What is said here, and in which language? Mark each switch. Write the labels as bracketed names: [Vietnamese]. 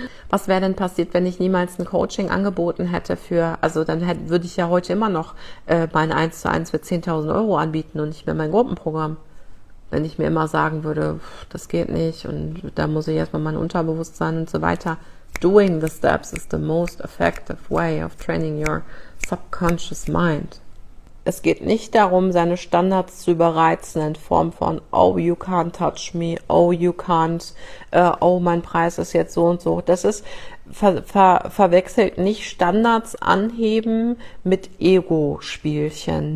[German] Was wäre denn passiert, wenn ich niemals ein Coaching angeboten hätte für, also dann würde ich ja heute immer noch mein 1:1 für 10.000 Euro anbieten und nicht mehr mein Gruppenprogramm. Wenn ich mir immer sagen würde, das geht nicht und da muss ich erstmal mein Unterbewusstsein und so weiter. [English] Doing the steps is the most effective way of training your subconscious mind. [German] Es geht nicht darum, seine Standards zu überreizen in Form von [English] oh, you can't touch me, oh, you can't, [German] oh, mein Preis ist jetzt so und so. Das ist verwechselt nicht Standards anheben mit Ego-Spielchen.